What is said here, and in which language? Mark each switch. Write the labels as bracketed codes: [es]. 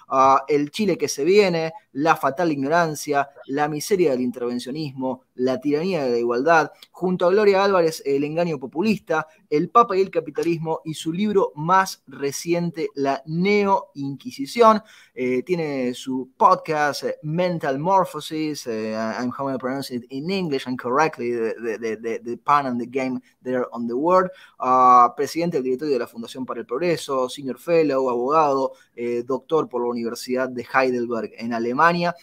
[es] El Chile que se viene, La fatal ignorancia, La miseria del intervencionismo, La tiranía de la igualdad, junto a Gloria Álvarez, El engaño populista, El Papa y el capitalismo, y su libro más reciente, La neo-inquisición. Tiene su podcast, Mental Morphosis, [en] pronounces. I'm hoping to pronounce it in English and correctly, the pan and the game there on the word. [es] Presidente del Directorio de la Fundación para el Progreso, Senior Fellow, abogado, doctor por la Universidad de Heidelberg en Alemania.